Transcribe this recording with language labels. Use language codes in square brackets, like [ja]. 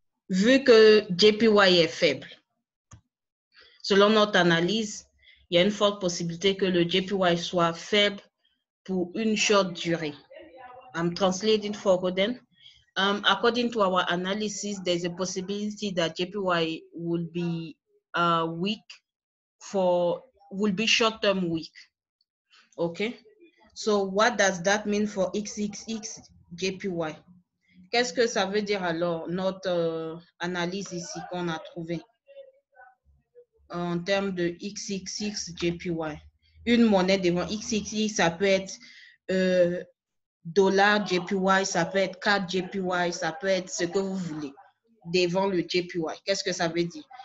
[fr] Vu que JPY est faible, selon notre analyse, il y a une forte possibilité que le JPY soit faible pour une courte durée. [en] I'm translating for Roden. According to our analysis, there's a possibility that JPY will be weak for will be short term weak. Okay. So what does that mean for XXX JPY? [fr] Qu'est-ce que ça veut dire alors notre analyse ici qu'on a trouvée? En termes de XXX JPY, une monnaie devant XXX, ça peut être dollar JPY, ça peut être CAD JPY, ça peut être ce que vous voulez devant le JPY. Qu'est-ce que ça veut dire?